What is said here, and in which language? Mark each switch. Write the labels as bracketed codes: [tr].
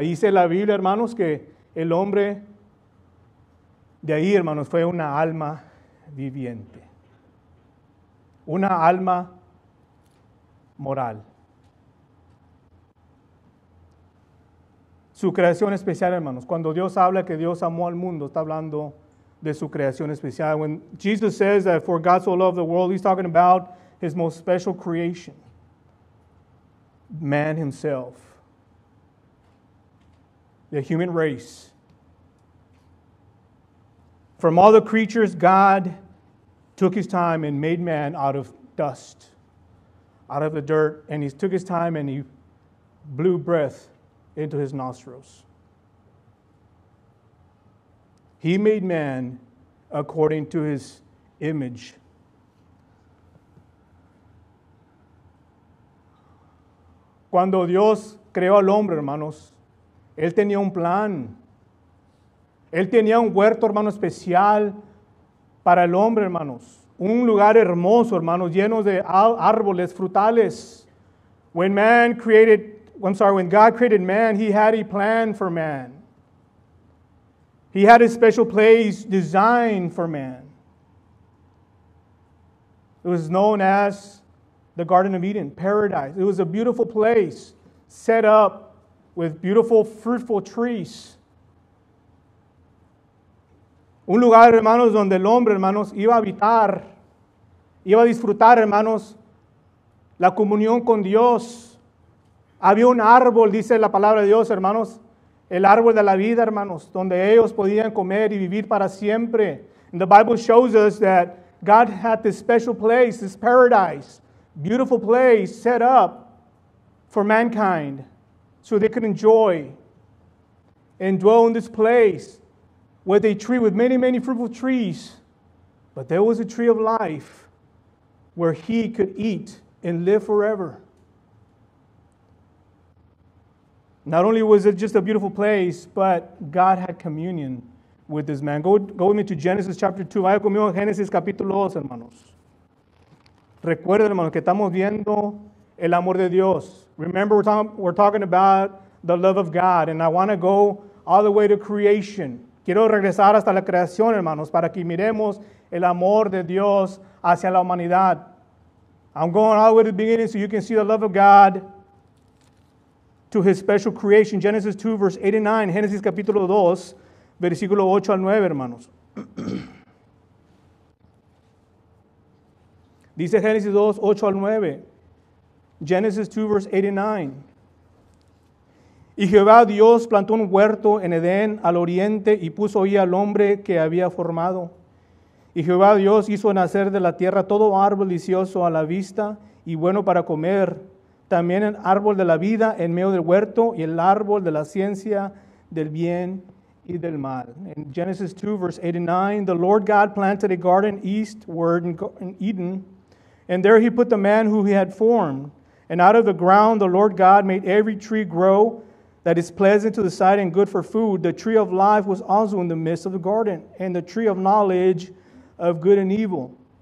[es] Dice la Biblia, hermanos, que el hombre de ahí, hermanos, fue una alma viviente. Una alma moral. Su creación especial, hermanos. Cuando Dios habla que Dios amó al mundo, está hablando de su creación especial. [en] When Jesus says that for God so loved the world, he's talking about his most special creation. Man himself. The human race. From all the creatures, God took his time and made man out of dust, out of the dirt, and he took his time and he blew breath into his nostrils. He made man according to his image. [es] Cuando Dios creó al hombre, hermanos, él tenía un plan. Él tenía un huerto, hermano, especial para el hombre, hermanos. Un lugar hermoso, hermanos, lleno de árboles frutales. [en] When God created man, he had a plan for man. He had a special place designed for man. It was known as the Garden of Eden, paradise. It was a beautiful place set up with beautiful, fruitful trees. [es] Un lugar, hermanos, donde el hombre, hermanos, iba a habitar, iba a disfrutar, hermanos, la comunión con Dios. Había un árbol, dice la palabra de Dios, hermanos, el árbol de la vida, hermanos, donde ellos podían comer y vivir para siempre. [en] And the Bible shows us that God had this special place, this paradise, beautiful place set up for mankind. So they could enjoy and dwell in this place with a tree, with many, many fruitful trees. But there was a tree of life where he could eat and live forever. Not only was it just a beautiful place, but God had communion with this man. Go with me to Genesis chapter 2. [es] Vaya conmigo a Génesis capítulo 2, hermanos. Recuerden, hermanos, que estamos viendo el amor de Dios. [en] Remember, we're talking about the love of God, and I want to go all the way to creation. [es] Quiero regresar hasta la creación, hermanos, para que miremos el amor de Dios hacia la humanidad. [en] I'm going all the way to the beginning so you can see the love of God to his special creation. Genesis 2, verse 8 and 9. [es] Génesis capítulo 2, versículo 8 al 9, hermanos. Dice Génesis 2, 8 al 9. [en] Genesis 2, verse 8 and 9. [es] Y Jehová Dios plantó un huerto en Edén al oriente y puso ahí al hombre que había formado. Y Jehová Dios hizo nacer de la tierra todo árbol delicioso a la vista y bueno para comer. También el árbol de la vida en medio del huerto y el árbol de la ciencia del bien y del mal. [en] In Genesis 2, verse 8 and 9, the Lord God planted a garden eastward in Eden, and there he put the man who he had formed. And out of the ground the Lord God made every tree grow that is pleasant to the sight and good for food. The tree of life was also in the midst of the garden, and the tree of knowledge of good and evil.